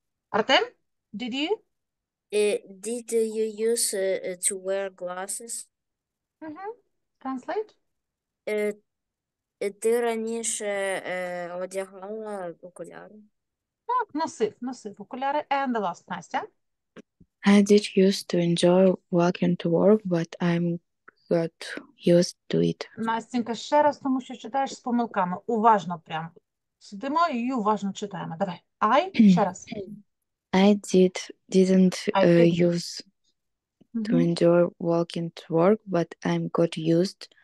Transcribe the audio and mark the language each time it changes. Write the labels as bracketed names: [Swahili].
[English] Артем, did Did you use to wear glasses? you? Translate? [Ukrainian] Ти раніше одягала окуляри? Так, носив окуляри. [English] And the last, [Ukrainian] Настя. [English] I did used to enjoy walking to work, but I'm got used to it. [Ukrainian] Настенька, ще раз, тому що читаєш з помилками. Уважно прямо. Сидимо і уважно читаємо. Давай. Ай, ще раз. [English] I didn't I didn't. use to enjoy walking to work, but I'm got used